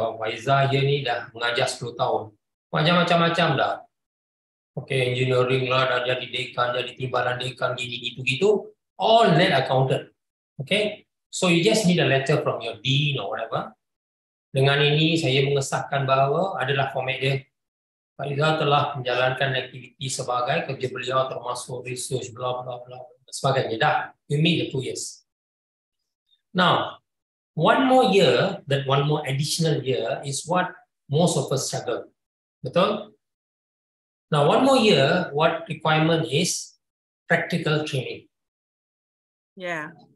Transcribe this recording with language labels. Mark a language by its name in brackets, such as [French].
[Malay] Waizah here ni dah mengajar 10 tahun. Macam-macam dah. Okay, engineering lah, dah jadi dekan, jadi timbalan dekan, gini, gitu, gitu. [English] All that accounted. Okay? So, you just need a letter from your dean or whatever. [Malay] Dengan ini, saya mengesahkan bahawa adalah format dia. Pak Izzah telah menjalankan aktiviti sebagai kerja beliau termasuk research, blah, blah, blah, sebagainya. [English] Dah, you meet the 2 years. Now, one more year, that one more additional year is what most of us struggle. Betul? Now, one more year, what requirement is practical training. Yeah.